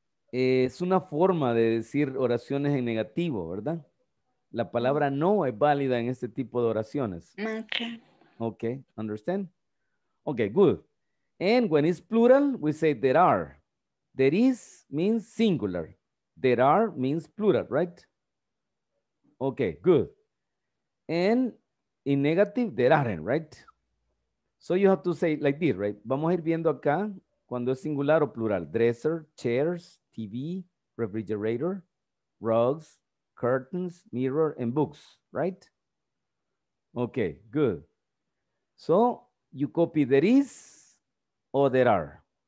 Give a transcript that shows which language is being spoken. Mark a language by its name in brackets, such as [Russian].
[Spanish] Es una forma de decir oraciones en negativo, ¿verdad? La palabra no es válida en este tipo de oraciones. [English] Okay. Okay, understand? Okay, good. And when it's plural, we say there are. There is means singular. There are means plural, right? Okay, good. And in negative, there aren't, right? So you have to say like this, right? [Spanish] Vamos a ir viendo acá, cuando es singular o plural. [English] Dresser, chairs, TV, refrigerator, rugs, curtains, mirror, and books, right? Okay, good. So you copy there is or there are.